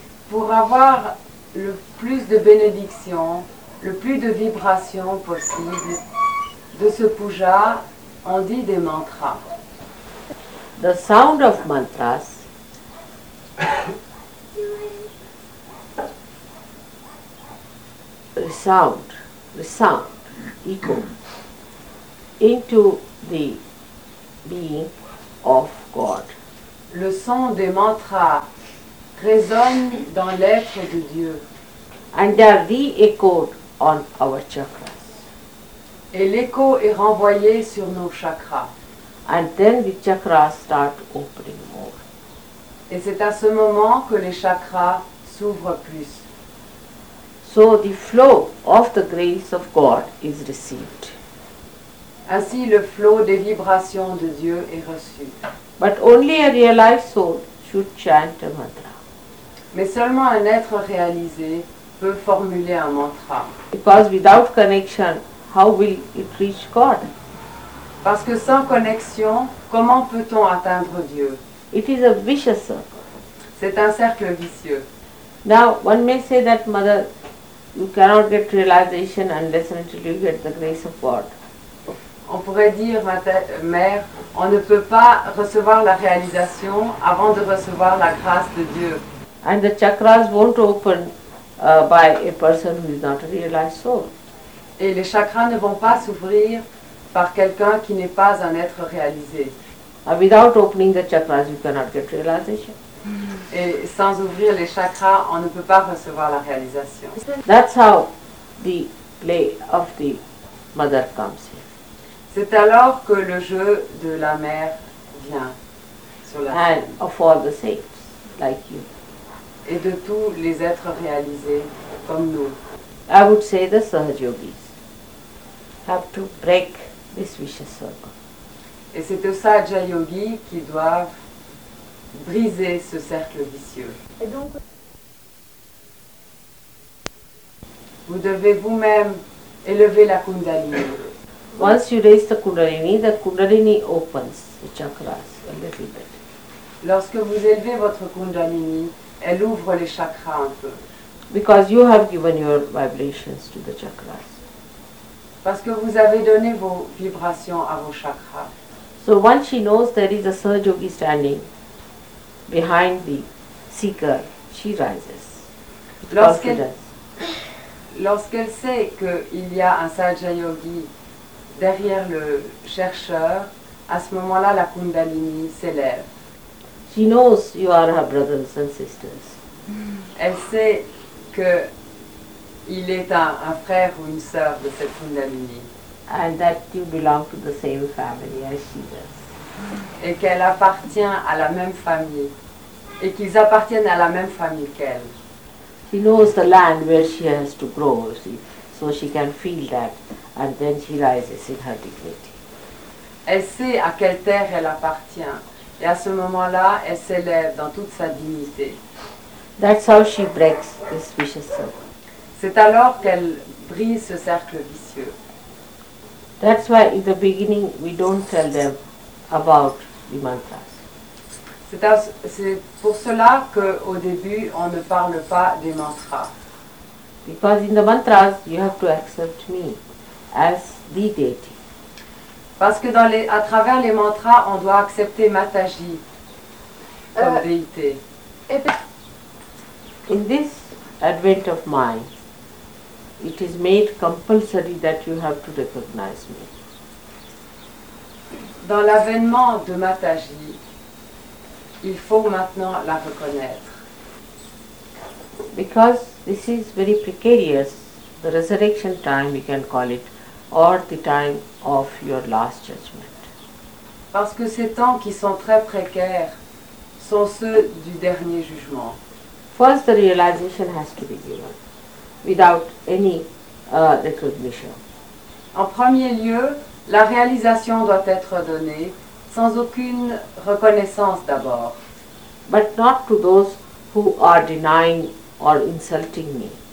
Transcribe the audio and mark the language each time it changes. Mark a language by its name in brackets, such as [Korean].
[French] Pour avoir le plus de bénédictions, le plus de vibrations possible de ce puja, on dit des mantras. [English] The sound of mantras resound, echo into the being of God. [French] Le son des mantras résonne dans l'être de Dieu. [English] And they are re-echoed on our chakras. [French] Et l'écho est renvoyé sur nos chakras. [English] And then the chakras start opening more. [French] Et c'est à ce moment que les chakras s'ouvrent plus. [English] So the flow of the grace of God is received. [French] Ainsi, le flow des vibrations de Dieu est reçu. [English] But only a realized soul should chant a mantra. [French] Mais seulement un être réalisé peut formuler un mantra. [English] Because without connection, how will it reach God? [French] Parce que sans connexion, comment peut-on atteindre Dieu? [English] It is a vicious circle. [French] C'est un cercle vicieux. [English] Now, one may say that mother, you cannot get realization unless until you get the grace of God. [French] On pourrait dire, mère, on ne peut pas recevoir la réalisation avant de recevoir la grâce de Dieu. [English] And the chakras won't open by a person who is not a realized soul. [French] Et les chakras ne vont pas s'ouvrir par quelqu'un qui n'est pas un être réalisé. [English] Without opening the chakras, you cannot get realization. [French] Et sans ouvrir les chakras, on ne peut pas recevoir la réalisation. [English] That's how the play of the mother comes here. [French] C'est alors que le jeu de la mère vient sur la [English] scène. And of all the saints, like you. [French] Et de tous les êtres réalisés comme nous. [English] I would say the Sahaj Yogis have to break this vicious circle. [French] Et c'est aux Sahaja Yogis qui doivent briser ce cercle vicieux. Et donc, vous devez vous-même élever la Kundalini. [English] Once you raise the Kundalini opens the chakras a little bit. [French] Lorsque vous élevez votre Kundalini, elle ouvre les chakras un peu. [English] Because you have given your vibrations to the chakras. [French] Parce que vous avez donné vos vibrations à vos chakras. [English] So once she knows there is a Sahaja Yogi standing behind the seeker, she rises. [French] Lorsqu'elle sait qu'il y a un Sahaja Yogi derrière le chercheur, à ce moment-là, la Kundalini s'élève. [English] She knows you are her brothers and sisters. [French] Elle sait qu'il est un frère ou une sœur de cette Kundalini. [English] And that you belong to the same family as she does. [French] Et qu'elle appartient à la même famille. Et qu'ils appartiennent à la même famille qu'elle. [English] She knows the land where she has to grow, see, so she can feel that. And then she rises in her dignity. [French] Elle sait à quelle terre elle appartient. Et à ce moment-là, elle s'élève dans toute sa dignité. [English] That's how she breaks this vicious circle. [French] C'est alors qu'elle brise ce cercle vicieux. [English] That's why in the beginning we don't tell them about the mantras. [French] C'est pour cela qu'au début on ne parle pas des mantras. [English] Because in the mantras you have to accept me as the deity. [French] Parce que à travers les mantras, on doit accepter Mataji comme déité. [English] In this advent of mine, it is made compulsory that you have to recognize me. [French] Dans l'avènement de Mataji, il faut maintenant la reconnaître. [English] Because this is very precarious, the resurrection time, we can call it, or the time of your last judgment. [French] Parce que ces temps qui sont très précaires sont ceux du dernier jugement. [English] First, the realization has to be given without any recognition. [French] En premier lieu, la réalisation doit être donnée sans aucune reconnaissance d'abord. [English] But not to those who are denying or insulting me.